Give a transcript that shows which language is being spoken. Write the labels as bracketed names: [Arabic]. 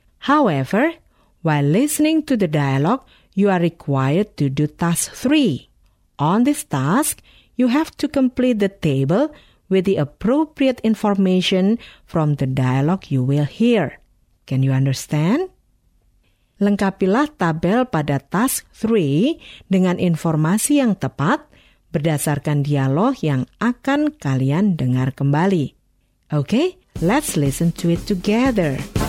[English] However, while listening to the dialogue, you are required to do task 3. On this task, you have to complete the table with the appropriate information from the dialogue you will hear. Can you understand? [Indonesian] Lengkapilah tabel pada task 3 dengan informasi yang tepat berdasarkan dialog yang akan kalian dengar kembali. [English] Okay, let's listen to it together.